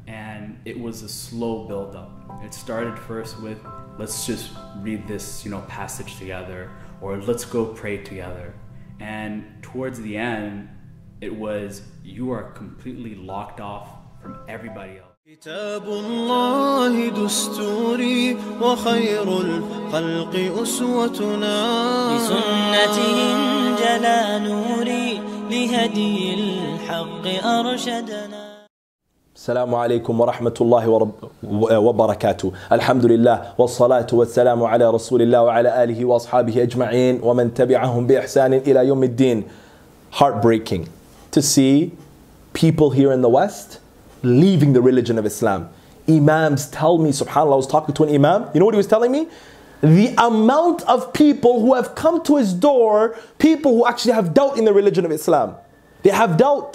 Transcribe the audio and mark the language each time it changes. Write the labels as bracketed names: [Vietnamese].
[English] And it was a slow buildup. It started first with, let's just read this, you know, passage together, or let's go pray together. And towards the end, it was, you are completely locked off from everybody else. [Arabic] كتاب الله دستوري وخير الخلق أسوتنا بسنته جلا نوري لهدي الحق أرشدنا. السلام عليكم ورحمة الله وبركاته. الحمد لله والصلاة والسلام على رسول الله وعلى آله وأصحابه أجمعين ومن تبعهم بإحسان إلى يوم الدين. [English] Heartbreaking to see people here in the West leaving the religion of Islam. Imams tell me, subhanAllah, I was talking to an imam. You know what he was telling me? The amount of people who have come to his door, people who actually have doubt in the religion of Islam. They have doubt.